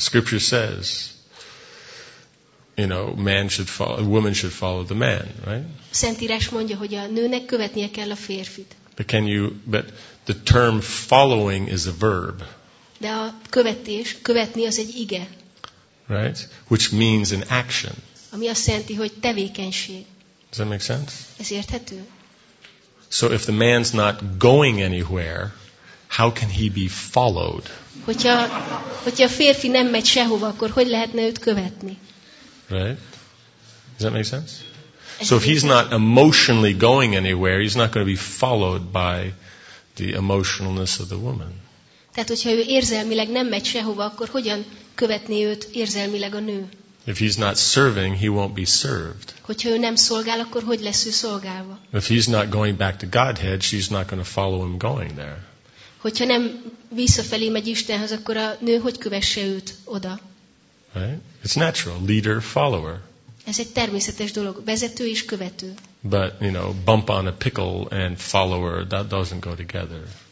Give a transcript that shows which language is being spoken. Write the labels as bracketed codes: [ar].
[en] Scripture says, you know, man should follow, a woman should follow the man, right? [hu] Szentírás mondja, hogy a nőnek követnie kell a férfit. [en] But can you? But the term following is a verb. [hu] De a követés, követni az egy ige. [en] Right, which means an action. [hu] Ami azt jelenti, hogy tevékenység. [en] Does that make sense? [hu] Ez érthető. [en] So if the man's not going anywhere, how can he be followed? [hu] Hogyha a férfi nem megy sehova, akkor hogy lehetne őt követni? [en] Right. Does that make sense? So if he's not emotionally going anywhere, he's not going to be followed by the emotionalness of the woman. [hu] Tehát, hogyha ő érzelmileg nem megy sehova, akkor hogyan követni őt érzelmileg a nő? [en] If he's not serving, he won't be served. [hu] Hogyha ő nem szolgál, akkor hogy lesz ő szolgálva? [en] If he's not going back to Godhead, she's not going to follow him going there. [hu] Hogyha nem visszafelé megy Istenhez, akkor a nő hogy kövesse őt oda? [en] Right? It's natural. Leader, follower. [hu] Ez egy természetes dolog, vezető és követő. [en] But you know, bump on a pickle and follower, that doesn't go together.